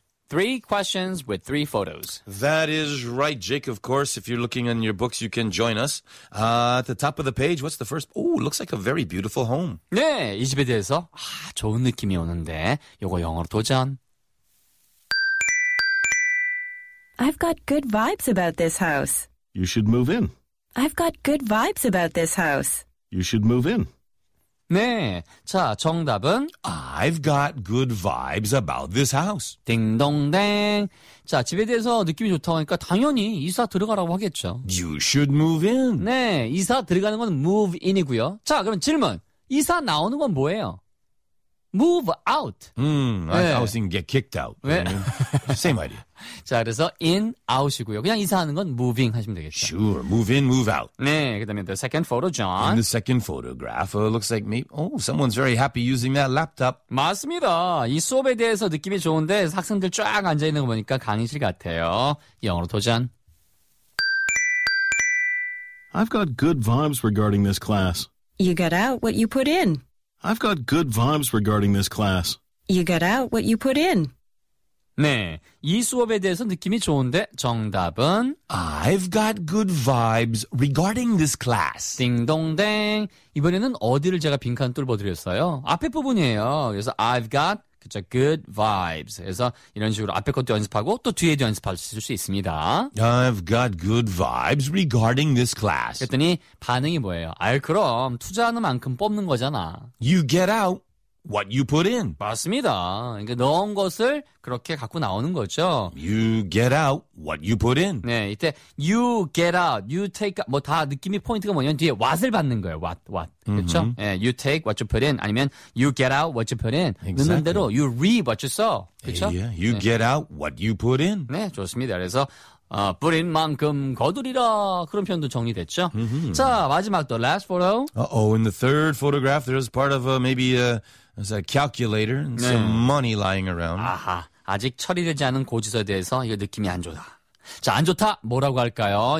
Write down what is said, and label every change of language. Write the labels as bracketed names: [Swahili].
[English] 3 questions with 3 photos. That is right, Jake. Of course, if you're looking in your books, you can join us. At the top of the page, what's the first? Ooh, looks like a very beautiful home. [Korean] 네, 이 집에 대해서 좋은 느낌이 오는데 이거 영어로 도전. [English] I've got good vibes about this house. You should move in. I've got good vibes about this house. You should move in. [Korean] 네, 자, 정답은 [English] I've got good vibes about this house. [Korean] 딩동댕. 자, 집에 대해서 느낌이 좋다 하니까 당연히 이사 들어가라고 하겠죠. [English] You should move in. [Korean] 네, 이사 들어가는 건 move in이고요. 자, 그럼 질문. 이사 나오는 건 뭐예요? [English] Move out. I was in get kicked out. [Korean] 네. [English] Same idea. [Korean] 자, 그래서 in, out이고요. 그냥 이사하는 건 moving 하시면 되겠죠. [English] Sure, move in, move out. [Korean] 네, 그 다음에 [English] the second photo, [Korean] John. [English] In the second photograph, looks like maybe, someone's very happy using that laptop. [Korean] 맞습니다. 이 수업에 대해서 느낌이 좋은데 학생들 쫙 앉아있는 거 보니까 강의실 같아요. 영어로 도전. [English] I've got good vibes regarding this class. You get out what you put in. I've got good vibes regarding this class. You get out what you put in. [Korean] 네, 이 수업에 대해서 느낌이 좋은데 정답은 [English] I've got good vibes regarding this class. [Korean] 띵동댕. 이번에는 어디를 제가 빈칸 뚫어드렸어요? 앞에 부분이에요. [English] 그래서 I've got 그쵸, good vibes. [Korean] 그래서 이런 식으로 앞에 것도 연습하고 또 뒤에도 연습하실 수 있습니다. [English] I've got good vibes regarding this class. [Korean] 그랬더니 반응이 뭐예요? 아, 그럼 투자하는 만큼 뽑는 거잖아. [English] You get out what you put in. [Korean] 맞습니다. 그러니까 넣은 것을 그렇게 갖고 나오는 거죠. [English] You get out what you put in. [Korean] 네, 이때 [English] you get out, you take out, [Korean] 뭐 다 느낌이 포인트가 뭐냐면 뒤에 what을 받는 거예요. [English] What, what. [Korean] 그렇죠? [English] Mm-hmm. 네, you take what you put in [Korean] 아니면 [English] you get out what you put in. Exactly. [Korean] 넣는 대로 [English] you reap what you sow. [Korean] 그렇죠? [English] Yeah, you 네. get out what you put in. [Korean] 네, 좋습니다. 그래서 뿌린 만큼 거두리라 그런 표현도 정리됐죠. Mm-hmm. 자, 마지막 [English] the last photo. In the third photograph there's part of there's a calculator and 네. some money lying around. [Korean] 아하, 아직 처리되지 않은 고지서에 대해서 이거 느낌이 안 좋다. 자, 안 좋다 뭐라고 할까요?